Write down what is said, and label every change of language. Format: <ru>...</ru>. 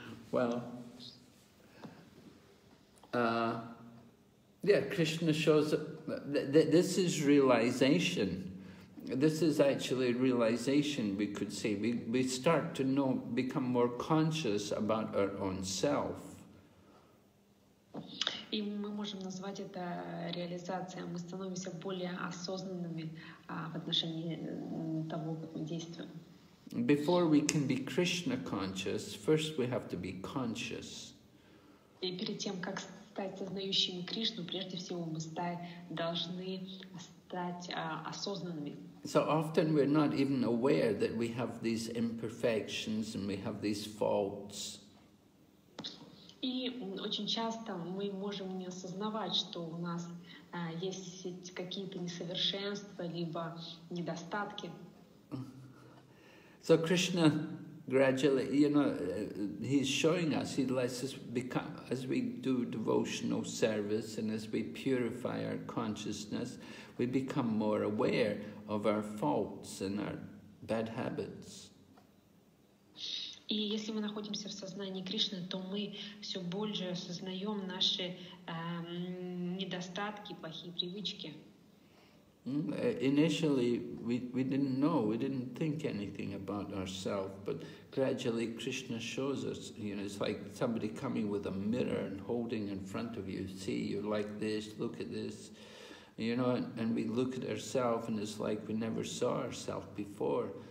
<en>Well, Krishna shows this is realization. This is actually realization, we could say. We start to know, become more conscious about our own self.</en> <ru>И мы можем назвать это реализацией. Мы становимся более осознанными в отношении того действия.</ru> <en>Before we can be Krishna conscious, first we have to be conscious.</en> <ru>И перед тем, как стать сознающими Кришну, прежде всего мы должны стать осознанными.</ru> <en>So often we're not even aware that we have these imperfections and we have these faults.</en> <ru>И очень часто мы можем не осознавать, что у нас есть какие-то несовершенства либо недостатки.</ru> <en>So Krishna gradually, you know, he's showing us, he lets us become, as we do devotional service and as we purify our consciousness, we become more aware of our faults and our bad habits.</en> <ru>И если мы находимся в сознании Кришны, то мы все больше осознаем наши недостатки, плохие привычки.</ru> <en>Initially, we didn't know, we didn't think anything about ourselves, but gradually Krishna shows us, you know, it's like somebody coming with a mirror and holding in front of you, see, you're like this, look at this, you know, and we look at ourselves and it's like we never saw ourselves before.</en>